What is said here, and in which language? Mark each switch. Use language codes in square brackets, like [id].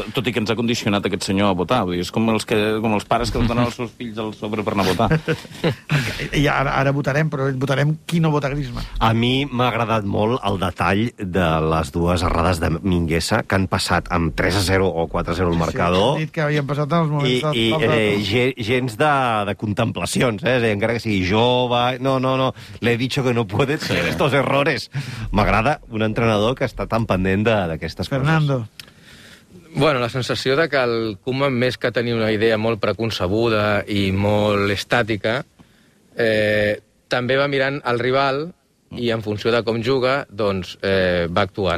[ca] Tot i que ens ha condicionat aquest senyor a votar. Vull dir, és com els pares que els donen els seus fills al sobre per anar a votar. I ara votarem, però votarem qui no vota Griezmann. A mi m'ha agradat molt el detall de les dues errades de Minguesa que han passat amb 3-0 o 4-0 al marcador. Sí, que havien passat en els moments. Gens de contemplacions, eh? Encara que sigui jove... No. [es] Le he dicho que no puede ser estos errores. [ca] M'agrada un entrenador que està tan pendent d'aquestes coses. Fernando. Bueno, la sensació de que el Koeman, més que tenir una idea molt preconcebuda i molt estàtica, també va mirant el rival i en funció de com juga, doncs va actuant.